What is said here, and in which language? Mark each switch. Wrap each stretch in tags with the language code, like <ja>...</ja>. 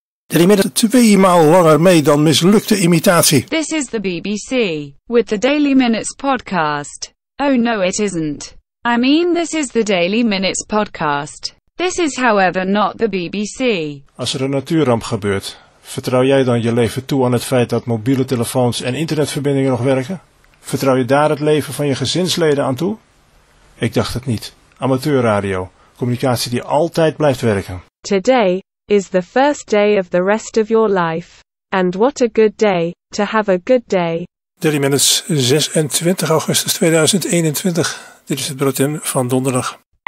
<nl>Deed hij met tweemaal langer mee dan mislukte imitatie.</nl> <en>This is the BBC, with the Daily Minutes podcast. Oh no, it isn't. I mean, this is the Daily Minutes podcast. This is however not the BBC.</en> <nl>Als er een natuurramp gebeurt, vertrouw jij dan je leven toe aan het feit dat mobiele telefoons en internetverbindingen nog werken? Vertrouw je daar het leven van je gezinsleden aan toe? Ik dacht het niet. Amateurradio, communicatie die altijd blijft werken.</nl> <en>Today is the first day of the rest of your life. And what a good day, to have a good day.</en> <nl>30 minutes, 26 augustus 2021. Dit is het bulletin van donderdag.</nl>